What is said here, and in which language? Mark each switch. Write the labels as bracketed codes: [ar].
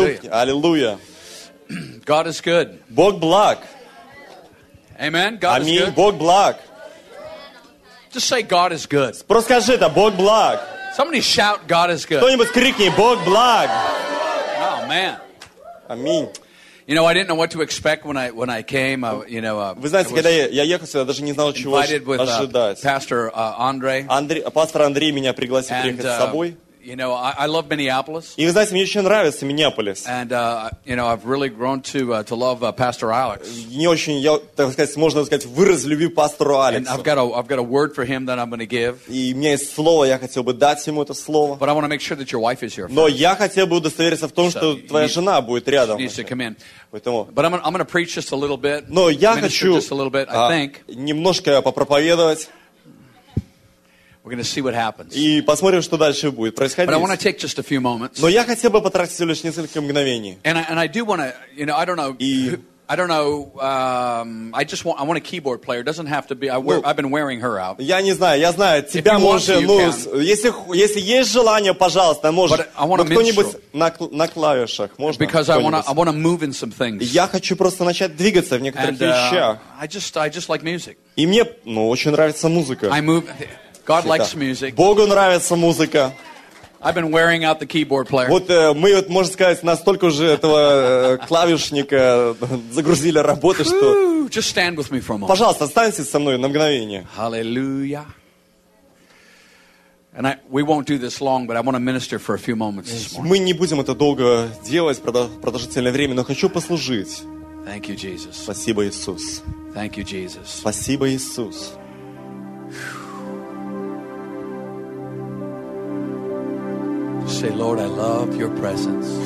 [en] Hallelujah. [ru] Дух. Аллилуйя. [en] God is good. [ru] Бог благ. [en] Amen. God [ru] Аминь. [en] Is good. [ru] Бог благ. [en] Just say God is good. [ru] Просто скажи это, Бог благ. [en] Somebody shout God is good. [ru] Кто-нибудь крикни, Бог благ. [en] Oh, man. [ru] Аминь. [en] You know, I didn't know what to expect when I came. You know, [ru] вы знаете, когда я ехал сюда, даже не знал, чего ожидать. [en] Pastor Andre. [ru] Пастор Андрей меня пригласил приехать с собой. [en] You know, I love Minneapolis. [ru] И вы знаете, мне очень нравится Миннеаполис. [en] And you know, I've really grown to love Pastor Alex. [ru] Не очень, я так сказать, можно сказать, вырос любви пастору Алексу. [en] And I've got a word for him that I'm going to give. [ru] И у меня есть слово, я хотел бы дать ему это слово. [en] But I want to make sure that your wife is here. [ru] Но я хотел бы удостовериться в том, что твоя жена будет рядом. [en] She needs to come in. [ru] Поэтому. [en] But I'm going to preach just a little bit. [ru] Но я хочу [en] just a little bit, I think. [ru] Немножко попроповедовать. [en] We're going to see what happens. [ru] И посмотрим, что дальше будет происходить. [en] But I want to take just a few moments. [ru] Но я хотел бы потратить лишь несколько мгновений. [en] And I do want to, you know, I don't know. I don't know. I just want. I want a keyboard player. It doesn't have to be. I've been wearing her out. [ru] Я не знаю. Я знаю. Тебя можно. Ну, если есть желание, пожалуйста, можешь. Но кто-нибудь на клавишах можно. [en] Because I want to move in some things. [ru] Я хочу просто начать двигаться в некоторых вещах. [en] I just like music. [ru] И мне, ну, очень нравится музыка. [en] I move. God likes music. [ru] Богу нравится музыка. [en] I've been wearing out the keyboard player. [ru] Вот мы вот, можно сказать, настолько уже этого клавишника загрузили работы, что... [en] Just stand with me for a moment. [ru] Пожалуйста, останься со мной на мгновение. [en] Hallelujah. And we won't do this long, but I want to minister for a few moments this morning. [ru] Мы не будем это долго делать, продолжительное время, но хочу послужить. [en] Thank you, Jesus. [ru] Спасибо, Иисус. [en] Thank you, Jesus. [ru] Спасибо, Иисус. [en] Say, Lord, I love your presence.